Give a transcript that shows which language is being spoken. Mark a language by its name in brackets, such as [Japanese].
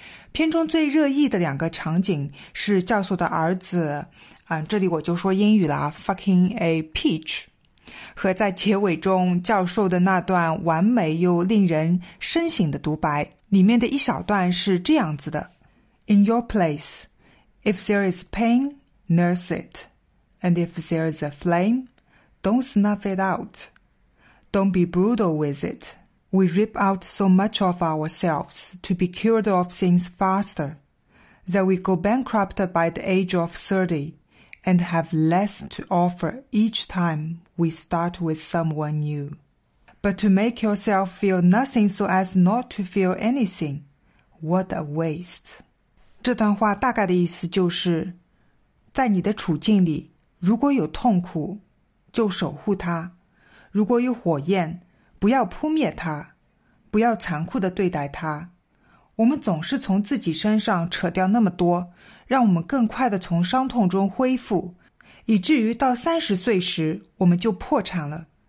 [Chinese] 片中最热议的两个场景是教授的儿子这里我就说英语了 [English] fucking a peach， [Chinese] 和在结尾中教授的那段完美又令人深省的独白，里面的一小段是这样子的。 [English] In your place, if there is pain, nurse it. And if there is a flame, don't snuff it out. Don't be brutal with it. We rip out so much of ourselves to be cured of things faster that we go bankrupt by the age of 30 and have less to offer each time we start with someone new. But to make yourself feel nothing so as not to feel anything, what a waste. [Chinese] 这段话大概的意思就是，在你的处境里，如果有痛苦，就守护它；如果有火焰，不要扑灭它，不要残酷地对待它。我们总是从自己身上扯掉那么多，让我们更快地从伤痛中恢复，以至于到30岁时，我们就破产了。